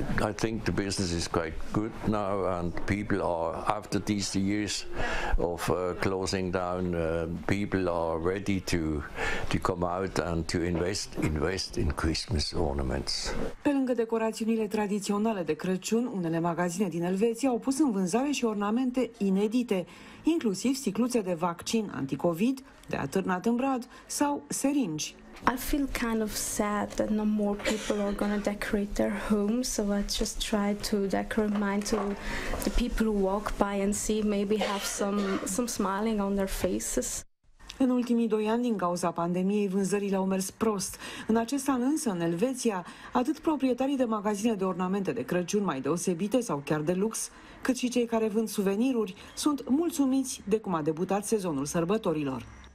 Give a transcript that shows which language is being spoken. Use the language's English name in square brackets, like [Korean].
[English] I think the business is quite good now and people are, after these years of closing down, people are ready to come out and to invest in Christmas ornaments. [Romanian] Pe lângă decorațiunile tradiționale de Crăciun, unele magazine din Elveția au pus în vânzare și ornamente inedite, inclusiv sticluțe de vaccin anticovid, de atârnat în brad sau seringi. [English] I feel kind of sad that no more people are going to decorate their homes, so I just try to decorate mine to the people who walk by and see, maybe have some smiling on their faces. [Romanian] În ultimii doi ani, din cauza pandemiei, vânzările au mers prost. În acest an însă, în Elveția, atât proprietarii de magazine de ornamente de Crăciun mai deosebite sau chiar de lux, cât și cei care vând suveniruri, sunt mulțumiți de cum a debutat sezonul sărbătorilor.